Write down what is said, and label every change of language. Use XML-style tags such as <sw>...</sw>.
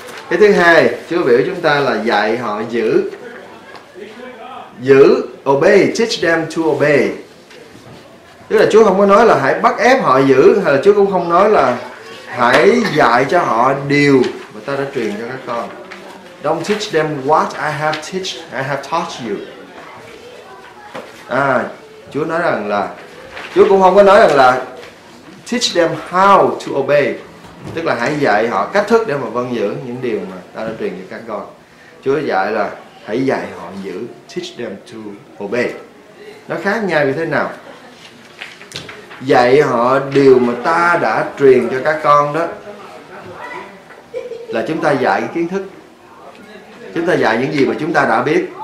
<vi>Cái thứ hai, Chúa biểu chúng ta là dạy họ giữ. Giữ, obey,</vi> <en>teach them to obey.</en> <vi>Tức là Chúa không có nói là hãy bắt ép họ giữ, hay là Chúa cũng không nói là hãy dạy cho họ điều mà ta đã truyền cho các con.</vi> <en>Don't teach them what I have taught you.</en> <vi>Chúa nói rằng là, Chúa cũng không có nói rằng là</vi> <en>teach them how to obey,</en> <vi>tức là hãy dạy họ cách thức để mà vâng giữ những điều mà ta đã truyền cho các con. Chúa dạy là hãy dạy họ giữ,</vi> <en>teach them to obey.</en> <vi>Nó khác nhau như thế nào? Dạy họ điều mà ta đã truyền cho các con đó là chúng ta dạy cái kiến thức, chúng ta dạy những gì mà chúng ta đã biết.</vi>